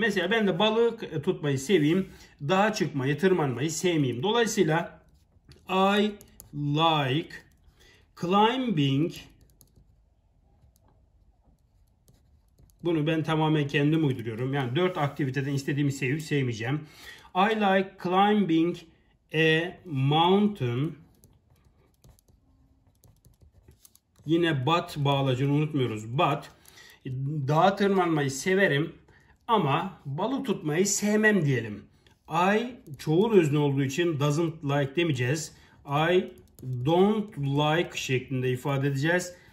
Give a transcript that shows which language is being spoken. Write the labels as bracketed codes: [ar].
[tr] Mesela ben de balık tutmayı seveyim, dağa çıkmayı, tırmanmayı sevmeyeyim. [en] Dolayısıyla I like climbing. [tr] Bunu ben tamamen kendim uyduruyorum. Yani 4 aktiviteden istediğimi sevip sevmeyeceğim. [en] I like climbing a mountain. [tr] Yine but bağlacını unutmuyoruz. But, dağa tırmanmayı severim ama balık tutmayı sevmem diyelim. I çoğul özne olduğu için [en] doesn't like [tr] demeyeceğiz. [en] I don't like [tr] şeklinde ifade edeceğiz.